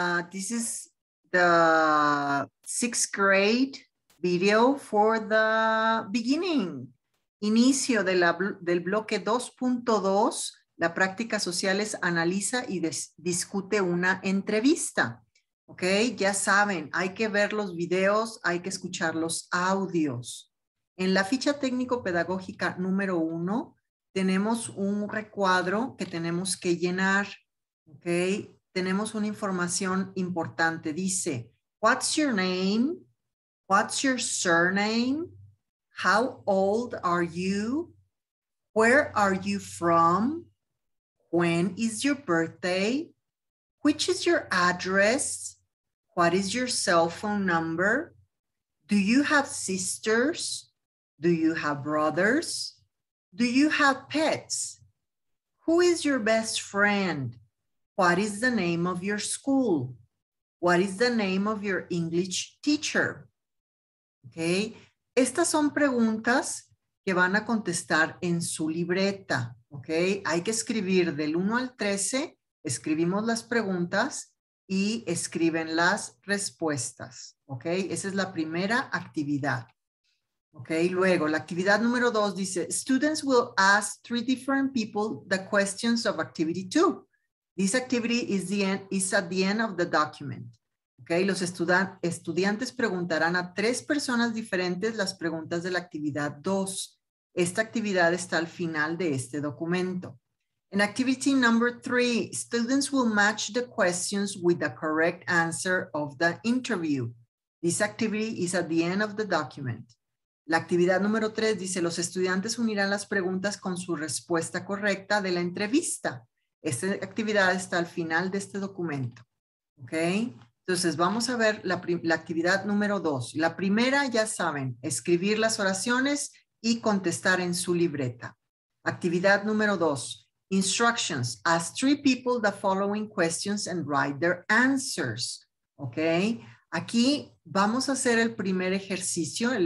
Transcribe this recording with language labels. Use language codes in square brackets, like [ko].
[en] This is the sixth grade video for the beginning. [es] Inicio de la, del bloque 2.2, la práctica sociales analiza y discute una entrevista. Okay, ya saben, hay que ver los videos, hay que escuchar los audios. En la ficha técnico-pedagógica número 1, tenemos un recuadro que tenemos que llenar, ¿ok? Tenemos una información importante. Dice, [en] what's your name? What's your surname? How old are you? Where are you from? When is your birthday? Which is your address? What is your cell phone number? Do you have sisters? Do you have brothers? Do you have pets? Who is your best friend? What is the name of your school? What is the name of your English teacher? Okay. [es] Estas son preguntas que van a contestar en su libreta. Okay. Hay que escribir del 1 al 13. Escribimos las preguntas y escriben las respuestas. Okay. Esa es la primera actividad. Okay, luego, la actividad número 2 dice, students will ask 3 different people the questions of activity 2. [en] This activity is the end, is at the end of the document. [es] Okay, los estudiantes preguntarán a 3 personas diferentes las preguntas de la actividad 2. Esta actividad está al final de este documento. [en] In activity number 3, students will match the questions with the correct answer of the interview. This activity is at the end of the document. [es] La actividad número 3 dice, los estudiantes unirán las preguntas con su respuesta correcta de la entrevista. Esta actividad está al final de este documento. Ok, entonces vamos a ver la actividad número 2. La primera, ya saben, escribir las oraciones y contestar en su libreta. Actividad número 2, instructions. [en] Ask 3 people the following questions and write their answers. [es] Ok, aquí vamos a hacer el primer ejercicio.